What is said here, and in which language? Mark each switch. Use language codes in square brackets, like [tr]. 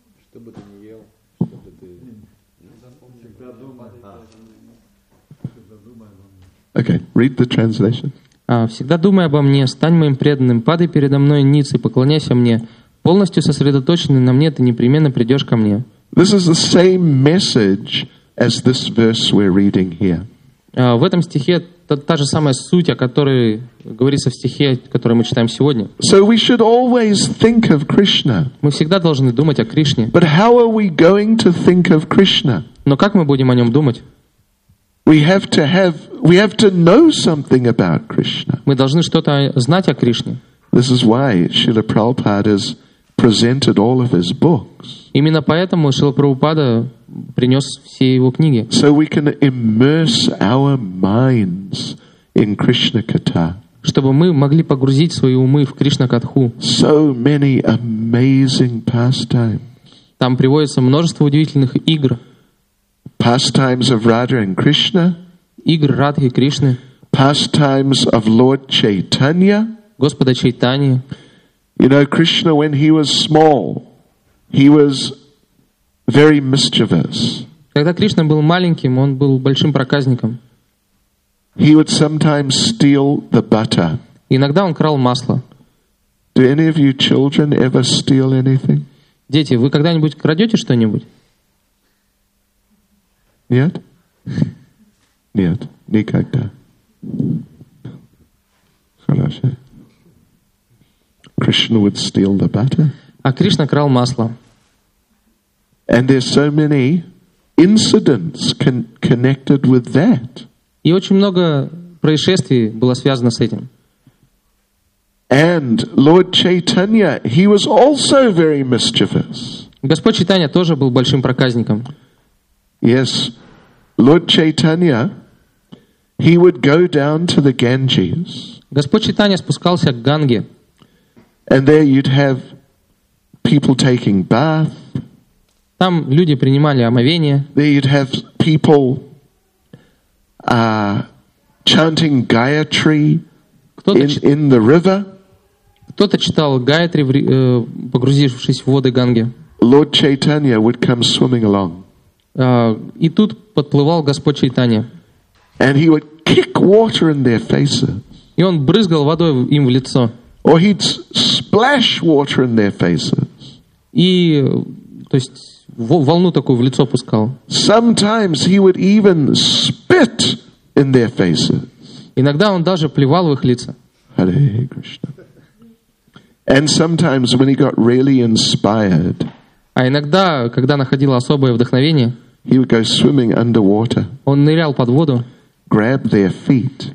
[ru] Что бы ты ни ел, что бы ты... Всегда думай. [en] Okay. Read the translation. [ru] Всегда думай обо мне, стань моим преданным, падай передо мной ниц и поклоняйся мне. Полностью сосредоточенный на мне, ты непременно придешь ко мне. [en] This is the same message as this verse we're reading here. [ru] В этом стихе та же самая суть, о которой говорится в стихе, который мы читаем сегодня. [en] So we should always think of Krishna. [ru] Мы всегда должны думать о Кришне. [en] But how are we going to think of Krishna? [ru] Но как мы будем о нем думать? [en] We have to know something about Krishna. [ru] Мы должны что-то знать о Кришне. [en] This is why Srila Prabhupada has presented all of his books. [ru] Именно поэтому Шрила Прабхупада принес все его книги. [en] So we can immerse our minds in Krishna Katha. [ru] Чтобы мы могли погрузить свои умы в Кришна Катху. [en] So many amazing pastimes. [ru] Там приводится множество удивительных игр. [en] Pastimes of Radha and Krishna. [ru] Игры Радхи и Кришны. [en] Pastimes of Lord Chaitanya. [ru] Господа Чайтанья. [en] You know, Krishna, when he was small, he was very mischievous. [ru] Когда Кришна был маленьким, он был большим проказником. [en] He would sometimes steal the butter. [ru] Иногда он крал масло. [en] Do any of you children ever steal anything? [ru] Дети, вы когда-нибудь крадете что-нибудь? Нет? Нет, никогда. Хорошо. [en] Krishna would steal the butter. [ru] А Кришна крал масло. [en] And there's so many incidents connected with that. [ru] И очень много происшествий было связано с этим. [en] And Lord Chaitanya, he was also very mischievous. [ru] Господь Чайтанья тоже был большим проказником. [en] Yes, Lord Chaitanya, he would go down to the Ganges. [ru] Господь Чайтанья спускался к Ганге. [en] And there you'd have people taking bath. [ru] Там люди принимали омовение. [en] There you'd have people chanting Gayatri in the river. [ru] Кто-то читал Гаятри, погрузившись в воды Ганги. [en] Lord Chaitanya would come swimming along. [ru] И тут подплывал Господь Чайтанья. [en] And he would kick water in their faces. [ru] И он брызгал водой им в лицо. [en] Or he'd splash water in their faces. [ru] И, то есть, волну такую в лицо пускал. [en] Sometimes he would even spit in their faces. [ru] Иногда он даже плевал в их лица. [en] Hare Krishna. And sometimes when he got really inspired, [ru] а иногда, когда находил особое вдохновение, [en] he would go swimming underwater, [ru] он нырял под воду, [en] grab their feet,